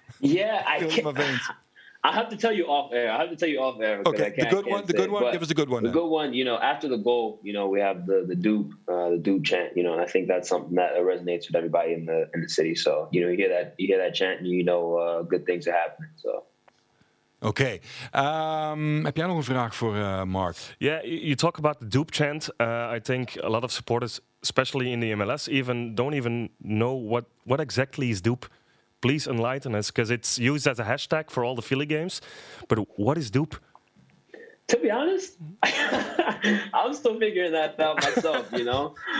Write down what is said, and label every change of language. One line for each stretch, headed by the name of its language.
English: Yeah, I have to tell you off air. Okay, the good one. Give us a good one. The good one, you know, after the goal, you know, we have the dupe chant, you know, and I think that's something that resonates with everybody in the city. So, you know, you hear that chant and you know good things are happening. So. Okay.
Dutch: Heb jij nog een vraag voor Mark?
English: Yeah, you talk about the dupe chant. I think a lot of supporters, especially in the MLS, even don't even know what exactly is dupe. Please enlighten us, because it's used as a hashtag for all the Philly games. But what is dupe? To be honest, I'm still figuring that out myself, you know?